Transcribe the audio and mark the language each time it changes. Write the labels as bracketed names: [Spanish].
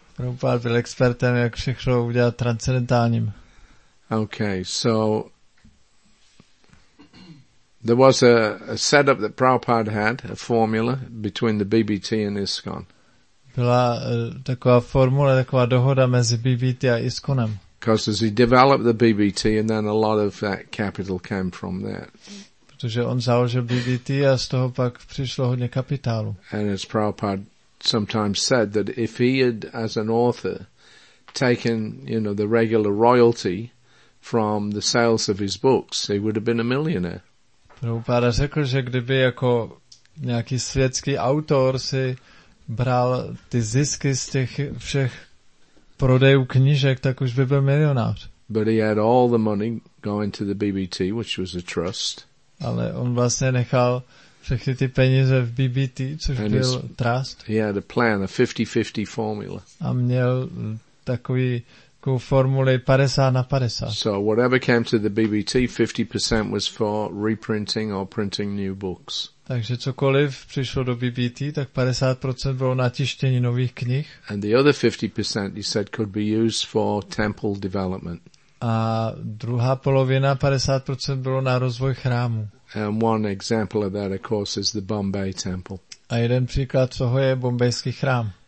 [Czech] Prabhupada byl expertem, jak všechno udělat transcendentálním. [English] Okay, so there was a setup that Prabhupada had, a formula between the BBT and ISKCON. [Czech] Byla taková formule, taková dohoda mezi BBT a ISKCONem. [English] Because as he developed the BBT, and then a lot of that capital came from that. [Czech] Protože on založil BBT a z toho pak přišlo hodně kapitálu. [English] And as Prabhupada sometimes said, that if he had, as an author, taken, you know, the regular royalty from the sales of his books, he would have been a millionaire. [Czech] Prabhupada řekl, že kdyby jako nějaký světský autor si bral ty zisky z těch všech prodejů knížek, tak už by byl milionář. [English] But he had all the money going to the BBT, which was a trust. [Czech] Ale on vlastně nechal všechny ty peníze v BBT, což and byl his, trust. [English] He had a plan, a 50-50 formula. [Czech] A měl takový formuli 50 na 50. [English] So whatever came to the BBT, 50% was for reprinting or printing new books. [Czech] Takže cokoliv přišlo do BBT, tak 50% bylo na tištění nových knih. [English] And the other 50%, he said, could be used for temple development. [Czech] A druhá polovina, 50%, bylo na rozvoj chrámu. [English] And one example of that, of course, is the Bombay temple. [Czech] A jeden příklad toho je bombajský chrám.